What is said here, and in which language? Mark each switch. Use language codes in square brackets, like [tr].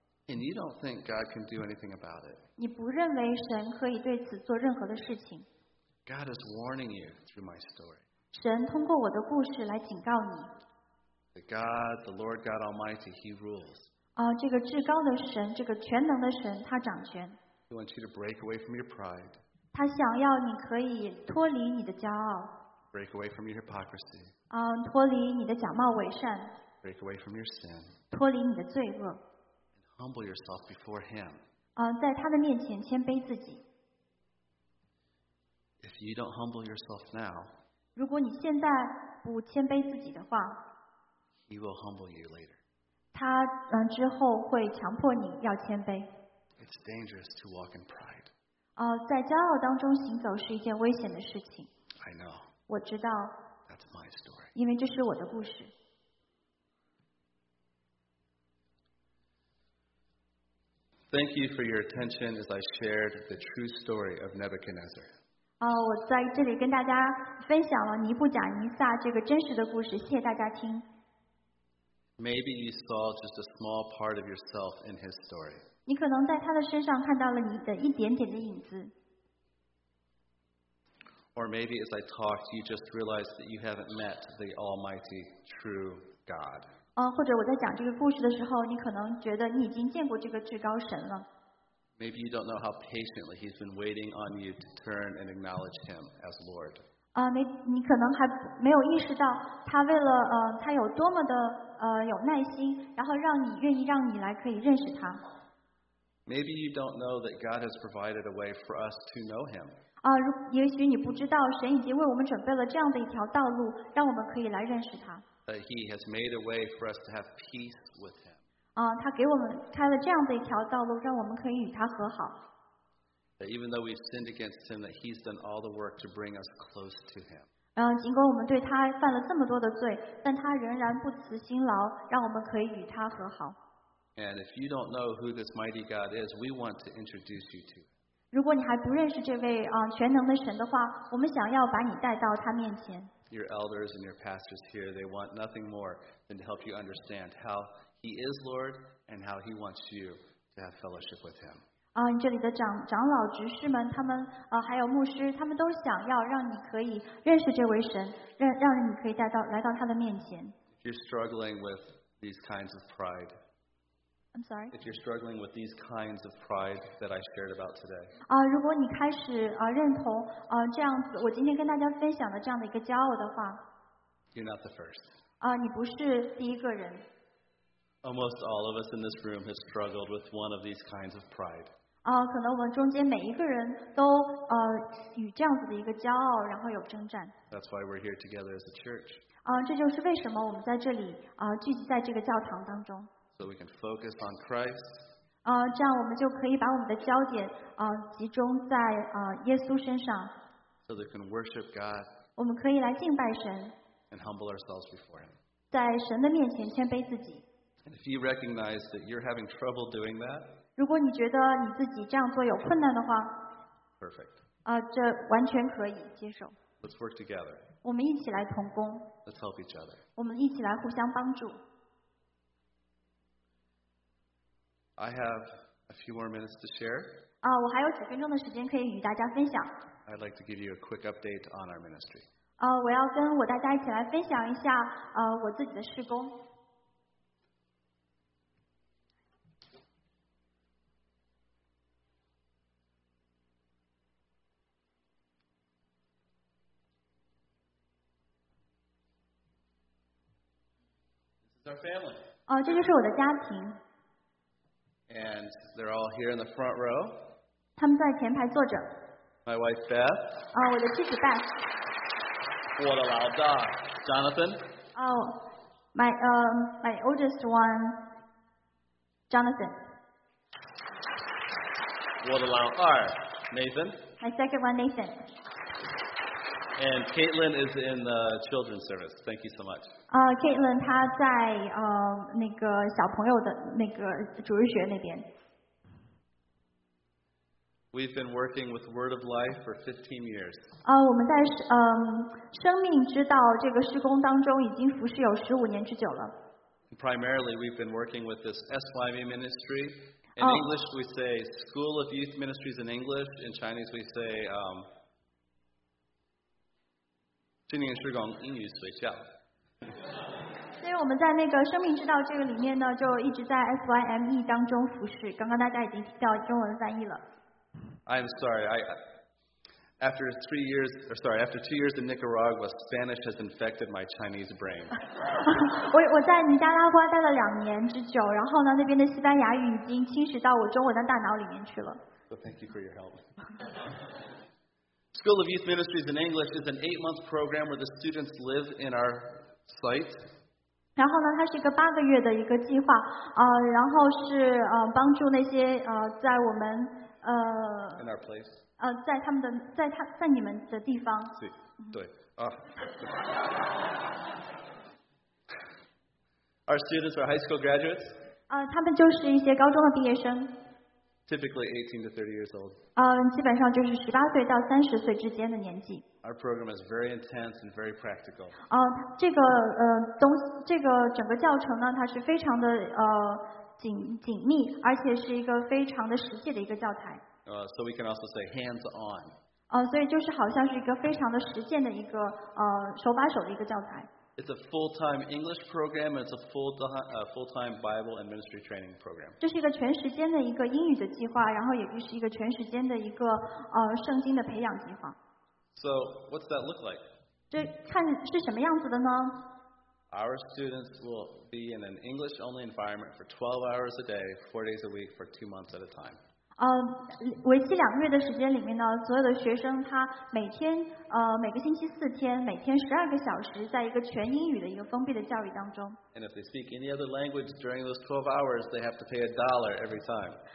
[en] And you don't think God can do anything about it. [zh] 你不认为神可以对此做任何的事情。 [en] God is warning you through my story. [zh] 神通过我的故事来警告你。 [en] The God, the Lord God Almighty, He rules. [zh] 这个至高的神，这个全能的神，他掌权。 [en] He wants you to break away from your pride. [zh] 他想要你可以脱离你的骄傲。 [en] Break away from your hypocrisy. [zh] 脱离你的假冒伪善。 [en] Break away from your sin. [zh] 脱离你的罪恶。 [en] And humble yourself before Him. [zh] 在他的面前谦卑自己。 [en] If you don't humble yourself now, [zh] 如果你现在不谦卑自己的话， [en] He will humble you later. [zh] 他之后会强迫你要谦卑。 [en] It's dangerous to walk in pride. [zh] 在骄傲当中行走是一件危险的事情。 [en] I know. [zh] 我知道 [en] That's my story. [zh] 因为这是我的故事。 [en] Thank you for your attention as I shared the true story of Nebuchadnezzar. [zh] 我在这里跟大家分享了尼布甲尼撒这个真实的故事，谢谢大家听。 [en] Maybe you saw just a small part of yourself in his story. [zh] 你可能在他的身上看到了你的一点点的影子。 [en] Or maybe as I talked, you just realized that you haven't met the Almighty, true God. [zh] 或者我在讲这个故事的时候，你可能觉得你已经见过这个至高神了。 [en] Maybe you don't know how patiently He's been waiting on you to turn and acknowledge Him as Lord. [zh] 你可能还没有意识到他为了他有多么的有耐心，然后让你愿意让你来可以认识他。 [en] Maybe you don't know that God has provided a way for us to know Him. [zh] 也许你不知道神已经为我们准备了这样的一条道路，让我们可以来认识他。 [en] But He has made a way for us to have peace with Him. [zh] 他给我们开了这样的一条道路，让我们可以与他和好。 [en] That even though we've sinned against Him, that He's done all the work to bring us close to Him. [zh] 尽管我们对他犯了这么多的罪，但他仍然不辞辛劳，让我们可以与他和好。 [en] And if you don't know who this mighty God is, we want to introduce you to Him. [zh] 如果你还不认识这位全能的神的话，我们想要把你带到他面前。 [en] Your elders and your pastors here, they want nothing more than to help you understand how He is Lord and how He wants you to have fellowship with Him. [zh] 这里的长老、执事们，他们还有牧师，他们都想要让你可以认识这位神，让你可以来到他的面前。 [en] If you're struggling with these kinds of pride. I'm sorry. If you're struggling with these kinds of pride that I shared about today, [zh] 如果你开始认同这样子，我今天跟大家分享的这样的一个骄傲的话， [en] you're not the first. [zh] 你不是第一个人。 [en] Almost all of us in this room have struggled with one of these kinds of pride. [zh] 可能我们中间每一个人都与这样子的一个骄傲，然后有征战。 [en] That's why we're here together as a church. [zh] 这就是为什么我们在这里聚集在这个教堂当中。 [en] So we can focus on Christ. [zh] 这样我们就可以把我们的焦点集中在耶稣身上。 [en] So we can worship God. [zh] 我们可以来敬拜神。 [en] And humble ourselves before Him. [zh] 在神的面前谦卑自己。 [en] And if you recognize that you're having trouble doing that. [zh] 如果你觉得你自己这样做有困难的话 [en] Perfect. [zh] 这完全可以接受 [en] Let's work together. [zh] 我们一起来同工 [en] Let's help each other. [zh] 我们一起来互相帮助 [en] I have a few more minutes to share. [zh] 我还有几分钟的时间可以与大家分享 [en] I'd like to give you a quick update on our ministry. [zh] 我要跟我大家一起来分享一下我自己的事工 [en] Our family. [zh] 这就是我的家庭。 [en] And they're all here in the front row. [zh] 他们在前排坐着。 [en] My wife Beth. [zh] 我的妻子 Beth. 我的老大 Jonathan. [en] My oldest one, Jonathan. [zh] 我的老二 Nathan. [en] My second one, Nathan. And Caitlin is in the children's service. Thank you so much. [zh] Caitlin, 她在那个小朋友的那个主日学那边。 [en] We've been working with Word of Life for 15 years. [zh] 我们在生命之道这个施工当中已经服侍有15年之久了。 [en] Primarily, we've been working with this SYV ministry. In English, we say School of Youth Ministries in English. In Chinese, we say... [zh] 青年施工英语学校。所以我们在那个生命之道这个里面呢，就一直在 SYME 当中服侍。刚刚大家已经听到中文翻译了。 [en] I'm sorry. After 2 years in Nicaragua, Spanish has infected my Chinese brain. [zh] 我在尼加拉瓜待了两年之久，然后呢，那边的西班牙语已经侵蚀到我中文的大脑里面去了。 [en] So thank you for your help. School of Youth Ministries in English is an 8-month program where the students live in our site. [zh] 然后呢，它是一个八个月的一个计划，然后是帮助那些在我们 [en] in our place. [zh] 在他们的在他在你们的地方。对对啊。 [en] Our students are high school graduates. [zh] 他们就是一些高中的毕业生。 [en] Typically 18 to 30 years old. [zh] 基本上就是十八岁到三十岁之间的年纪。 [en] Our program is very intense and very practical. [zh] 这个整个教程呢，它是非常的紧密，而且是一个非常的实际的一个教材。 [en] So we can also say hands-on. [zh] 所以就是好像是一个非常的实践的一个手把手的一个教材。 [en] It's a full-time English program. It's a full-time Bible and ministry training program. [zh] 这是一个全时间的一个英语的计划，然后也是一个全时间的一个圣经的培养计划。 [en] So what's that look like? [zh] 这看是什么样子的呢？ [en] Our students will be in an English-only environment for 12 hours a day, 4 days a week, for 2 months at a time. [zh] 为期两个月的时间里面呢，所有的学生他每天每个星期四天，每天十二个小时，在一个全英语的一个封闭的教育当中。 [en] And if they speak any other language during those 12 hours, they have to pay $1 every time.